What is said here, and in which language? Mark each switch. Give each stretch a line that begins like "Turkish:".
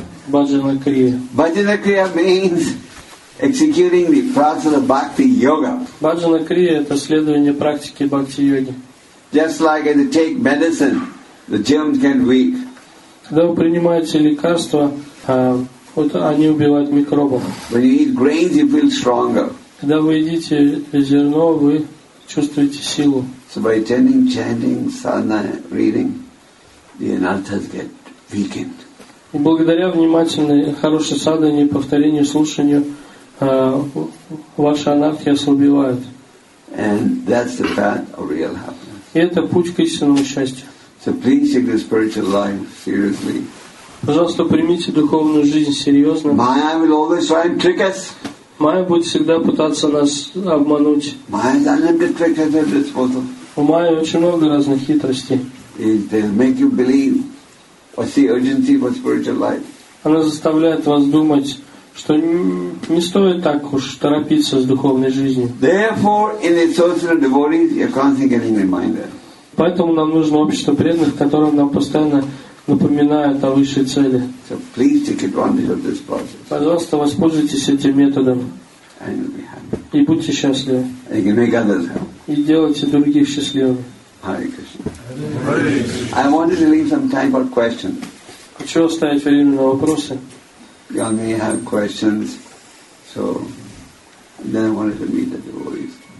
English: Bhajana kriya means executing the process of bhakti yoga.
Russian: Bhajana kriya — это следование практики бхакти йоги.
English: Just like if you take medicine, the germs get weak.
Russian: Когда вы принимаете лекарства, вот они убивают микробов.
English: When you eat grains, you feel stronger.
Russian: Когда вы едите зерно, вы чувствуете силу.
English: So by attending, chanting, sadhana, reading, the anarthas get weakened.
Russian: Благодаря внимательной, хорошей садхане, повторению, слушанию, ваши анархи ослабевают.
English: And that's the path of real happiness.
Russian: И это путь к истинному счастью.
English: So please take the spiritual life seriously.
Russian: Пожалуйста, примите духовную жизнь серьезно.
English: Майя will always try and trick us.
Russian: Майя будет всегда пытаться нас обмануть.
English: Майя is unlimited tricks at their disposal.
Russian: У Майи очень много разных хитростей.
English: They'll make you believe or see urgency for spiritual life.
Russian: Она заставляет вас думать, что не стоит так уж торопиться с духовной жизнью.
English: Therefore, in the social devotees, you're constantly getting reminded.
Russian: Поэтому нам нужно общество преданных, которое нам постоянно напоминает о высшей цели.
English: So please take advantage of this process.
Russian: Пожалуйста, воспользуйтесь этим методом.
English: And you'll be happy.
Russian: И будьте счастливы.
English: And you can make others happy.
Russian: И делайте других счастливыми.
English: Hare Krishna. I wanted to leave some time for questions.
Russian: Хочу оставить время на вопросы.
English: You may have questions, so then I wanted to meet the devotees.